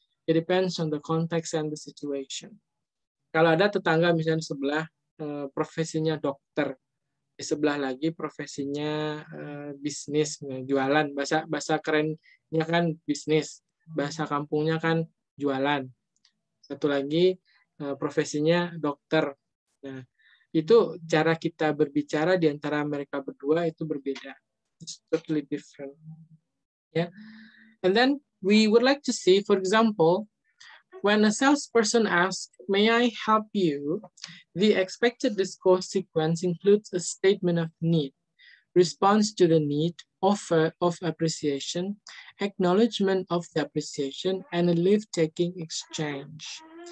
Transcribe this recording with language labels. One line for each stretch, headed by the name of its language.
English: It depends on the context and the situation.
Indonesian: Kalau ada tetangga misalnya sebelah profesinya dokter, di sebelah lagi profesinya bisnis, jualan, bahasa kerennya kan bisnis, bahasa kampungnya kan jualan. Satu lagi profesinya dokter. Nah, itu cara kita berbicara di antara mereka berdua itu berbeda.
English: It's totally different. Yeah. And then we would like to see, for example, when a salesperson asks, may I help you? The expected discourse sequence includes a statement of need, response to the need, offer of appreciation, acknowledgement of the appreciation, and a leave-taking exchange.